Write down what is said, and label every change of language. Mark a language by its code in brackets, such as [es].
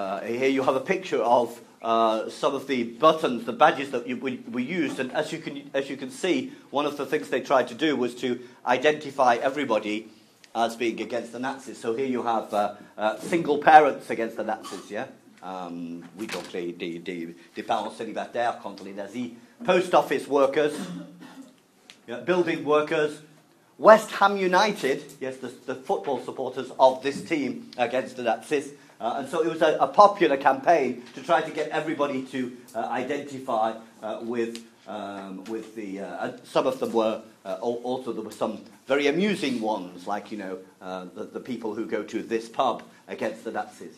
[en] Here you have a picture of some of the buttons, the badges that we used, and as you can see, one of the things they tried to do was to identify everybody as being against the Nazis. So here you have single parents against the Nazis, yeah? [fr] Oui, donc des parents célibataires contre les nazis. [en] Post office workers, yeah, building workers, West Ham United, yes, the football supporters of this team against the Nazis. And so it was a popular campaign to try to get everybody to identify some of them were, also there were some very amusing ones, like, you know, the people who go to this pub against the Nazis.